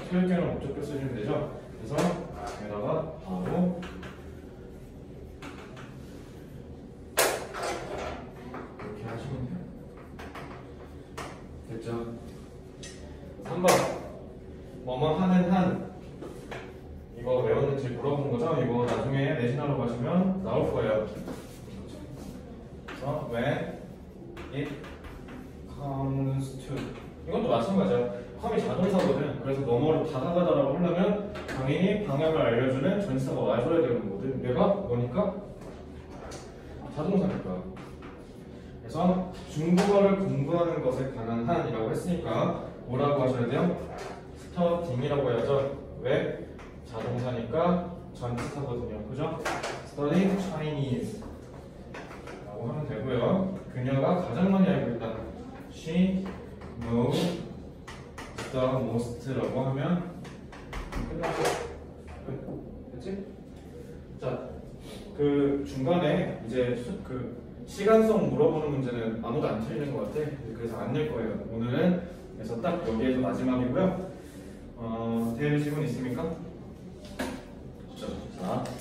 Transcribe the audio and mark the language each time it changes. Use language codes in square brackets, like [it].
[ko] 소유권을 목적표 쓰시면 되죠. 그래서 여기다가 바로 이렇게 하시면 돼요. 됐죠? 3번. 뭐뭐 하는 한. 이거 외웠는지 물어본 거죠? 이거 나중에 내신하러 가시면 나올 거예요. 그래서 [en] when it comes to, [ko] 이것도 마찬가지야. come이 자동사거든. 그래서 뭐뭐로 다가가다라고 하려면 당연히 방향을 알려주는 전치사가 와줘야 되는 거거든. 내가 뭐니까? 자동사니까. 그래서 중국어를 공부하는 것에 관한 한이라고 했으니까 뭐라고 하셔야 돼요? studying이라고 해야죠. 왜? 자동사니까 전치사거든요, 그죠? [en] Study Chinese [ko] 라고 하면 되고요. 그녀가 가장 많이 알고 있다. [en] She knows the most [ko] 라고 하면 끝났어. 그치? 자, 그 중간에 이제 그 시간성 물어보는 문제는 아무도 안 틀리는 것 같아. 그래서 안 낼 거예요. 오늘은 그래서 딱 여기에서 마지막이고요. 대회 질문 있습니까? 자.